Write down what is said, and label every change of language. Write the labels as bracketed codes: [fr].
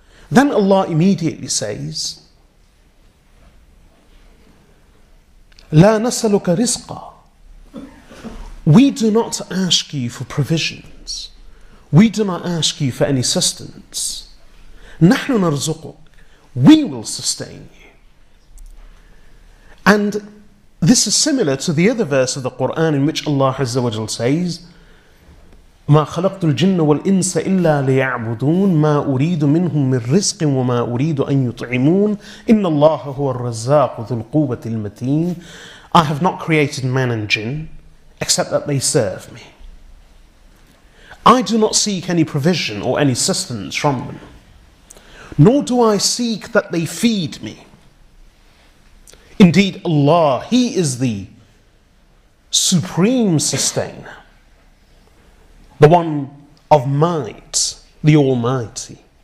[en] Then Allah immediately says, [ar] لَا نَسَلُكَ رِزْقًا. [en] We do not ask you for provisions. We do not ask you for any sustenance. [ar] نَحْنُ نَرْزُقُكَ. [en] We will sustain you. And this is similar to the other verse of the Quran in which Allah Azza wa Jal says, [ar] مَا خَلَقْتُ الْجِنَّ وَالْإِنسَ إِلَّا لِيَعْبُدُونَ مَا أُرِيدُ مِنْهُمْ مِنْ رِزْقٍ وَمَا أُرِيدُ أَنْ يُطْعِمُونَ إِنَّ اللَّهَ هُوَ الرَّزَّاقُ ذُو الْقُوَّةِ الْمَتِينَ. [en] I have not created man and jinn except that they serve me. I do not seek any provision or any sustenance from them, nor do I seek that they feed me. Indeed, Allah, He is the supreme sustainer, the one of might, the Almighty.